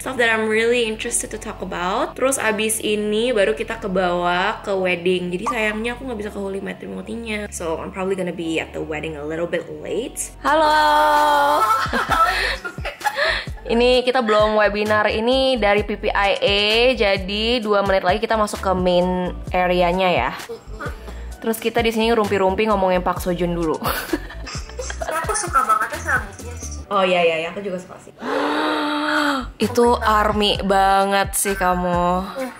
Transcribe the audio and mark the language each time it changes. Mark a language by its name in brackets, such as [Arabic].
[English] Stuff that I'm really interested to talk about. [Indonesian] Terus abis ini baru kita ke bawah ke wedding. Jadi sayangnya aku enggak bisa ke Holy Matrimony-nya. [English] So, I'm probably gonna be at the wedding a little bit late. [Indonesian] Halo. Ini kita belum webinar ini dari PPIA, jadi 2 menit lagi kita masuk ke main area-nya ya. Terus kita di sini rumpi-rumpi ngomongin Park Seo Joon dulu. Aku suka bangetnya sama BTS. Oh iya iya iya, aku juga suka sih. Itu oh ARMY banget sih kamu.